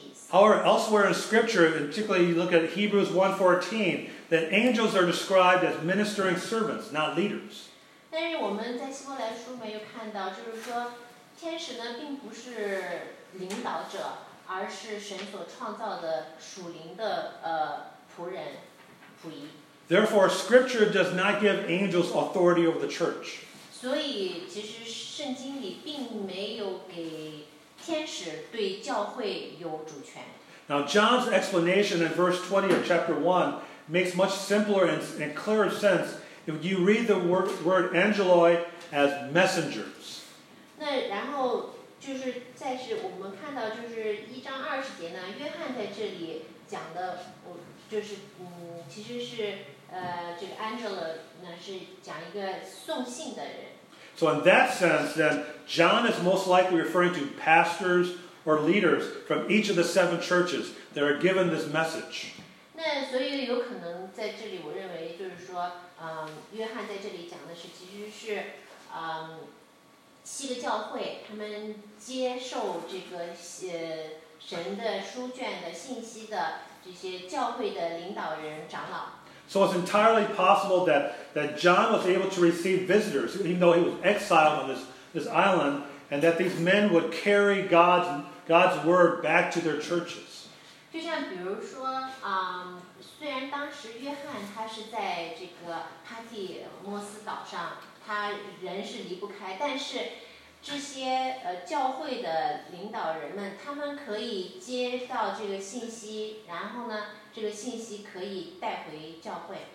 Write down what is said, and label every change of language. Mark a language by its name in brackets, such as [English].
[English] However, elsewhere in Scripture, particularly you look at Hebrews 1:14, that angels are described as ministering servants, not leaders. [Chinese] 但是我们在希伯来书没有看到，就是说天使呢并不是领导者，而是神所创造的属灵的仆人仆役。 [English] Therefore, Scripture does not give angels authority over the church. [Chinese] 所以其实圣经里并没有给天使对教会有主权。 [English] Now John's explanation in verse 20 of chapter 1 makes much simpler and clearer sense if you read the word angeloi as messengers. [Chinese] 那然后就是再是我们看到就是一章二十节呢，约翰在这里讲的，就是其实是这个 angelo 呢是讲一个送信的人。 [English] So in that sense, then, John is most likely referring to pastors or leaders from each of the seven churches that are given this message. [Chinese] 那所以有可能在这里我认为就是说约翰在这里讲的是其实是七个教会他们接受这个神的书卷的信息的这些教会的领导人长老。 [English] So it's entirely possible that John was able to receive visitors, even though he was exiled on this island, and that these men would carry God's word back to their churches. [Chinese] 就像比如说，虽然当时约翰他是在这个帕提莫斯岛上，他人是离不开，但是这些教会的领导人们，他们可以接到这个信息，然后呢，这个信息可以带回教会。